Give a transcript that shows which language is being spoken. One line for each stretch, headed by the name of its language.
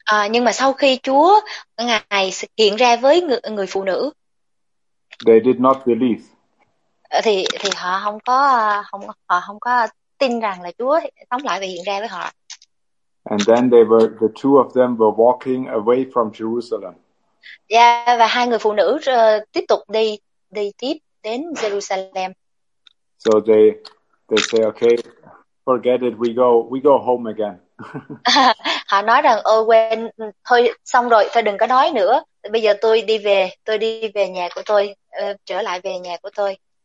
Vietnamese: nhưng mà sau khi Chúa ngài hiện ra với người phụ nữ,
English: they did not believe.
Vietnamese: Thì họ không có không họ không có tin rằng là Chúa sống lại và hiện ra với họ.
English: And then they were, the two of them were walking away from Jerusalem.
Vietnamese: Yeah, và hai người phụ nữ tiếp tục đi tiếp đến Jerusalem.
English: So they say, okay, forget it, we go home again.
Vietnamese: Họ nói rằng ôi quên thôi xong rồi thôi đừng có nói nữa. Bây giờ tôi đi về nhà của tôi, trở lại về nhà của tôi.